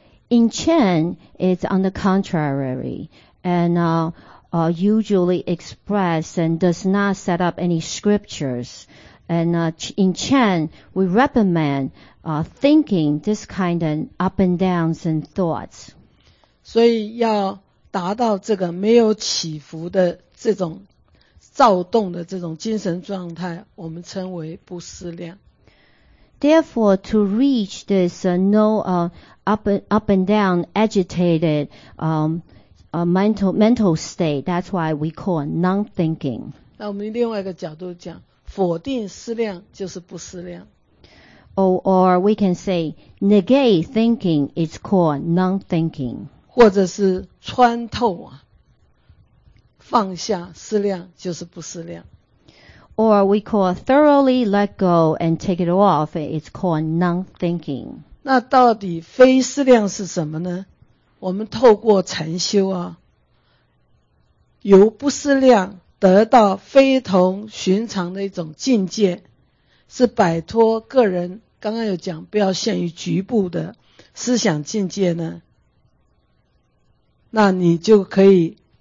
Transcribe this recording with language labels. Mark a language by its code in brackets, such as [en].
[en] In Chan, it's on the contrary, and usually express and does not set up any scriptures. And in Chan, we recommend thinking this kind of up and downs and thoughts. [zh] 所以要达到这个没有起伏的这种。躁动的这种精神状态，我们称为不思量。 [en] Therefore, to reach this no up and down agitated mental state, that's why we call non-thinking. [zh] 那我们另外一个角度讲，否定思量就是不思量。 [en] Or we can say negate thinking is called non-thinking. [zh] 或者是穿透啊。放下思量就是不思量。 [en] Or we call thoroughly let go and take it off, it's called non-thinking. [zh] 那到底非思量是什么呢？我们透过禅修啊，由不思量得到非同寻常的一种境界，是摆脱个人，刚刚有讲，不要限于局部的思想境界呢，那你就可以